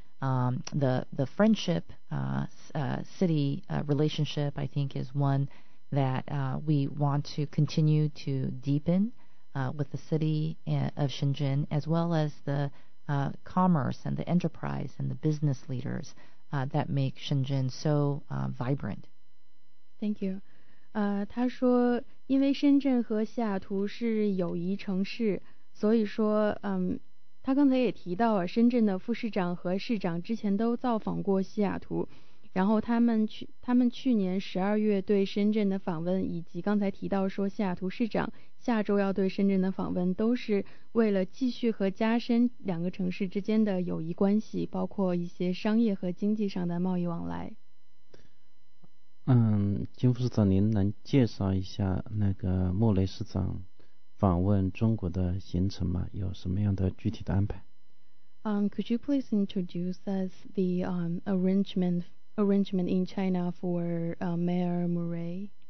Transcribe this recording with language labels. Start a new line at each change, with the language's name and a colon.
English: The friendship city relationship, I think, is one that we want to continue to deepen with the city of Shenzhen, as well as the commerce and the enterprise and the business leaders that make Shenzhen so vibrant. Thank you.
Chinese: 他说因为深圳和西雅图是友谊城市，所以说他刚才也提到，深圳的副市长和市长之前都造访过西雅图，然后他们去年十二月对深圳的访问，以及刚才提到说西雅图市长下周要对深圳的访问，都是为了继续和加深两个城市之间的友谊关系，包括一些商业和经济上的贸易往来。金副市长，您能介绍一下那个莫雷市长访问中国的行程吗？有什么样的具体的安排？
English: Could you please introduce us the arrangement in China for Mayor Murray?